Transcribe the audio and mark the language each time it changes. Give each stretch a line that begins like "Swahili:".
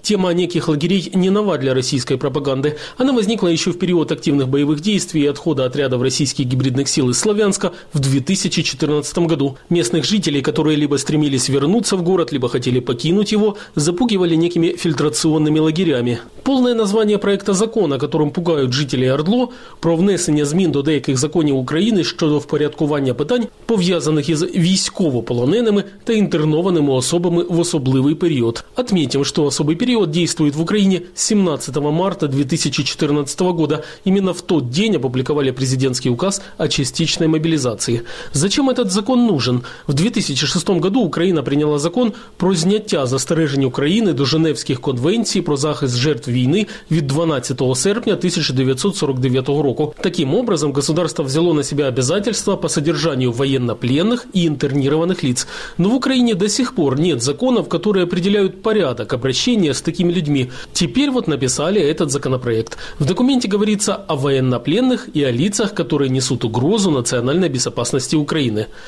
Russian: Тема неких лагерей не нова для российской пропаганды. Она возникла еще в период активных боевых действий и отхода отрядов российских гибридных сил из Славянска в 2014 году. Местных жителей, которые либо стремились вернуться в город, либо хотели покинуть его, запугивали некими фильтрационными лагерями. Полное название проекта закона, которым пугают жителей ОРДЛО,
Ukrainian: про внесення змін до деяких законів України щодо впорядкування питань, пов'язаних із військовополоненими та інтернованими особами в особливий період.
Russian: Отметим, что особый период действует в Украине с 17 марта 2014 года. Именно в тот день опубликовали президентский указ о частичной мобилизации. Зачем этот закон нужен? В 2006 году Украина приняла закон
Ukrainian: про зняття застережень України до Женевських конвенцій про захист жертв війни від 12 серпня 1949 року.
Russian: Таким образом, государство взяло на себя обязательства по содержанию военнопленных и интернированных лиц. Но в Украине до сих пор нет законов, которые определяют порядок обращения с такими людьми. Теперь вот написали этот законопроект. В документе говорится о военнопленных и о лицах, которые несут угрозу национальной безопасности Украины.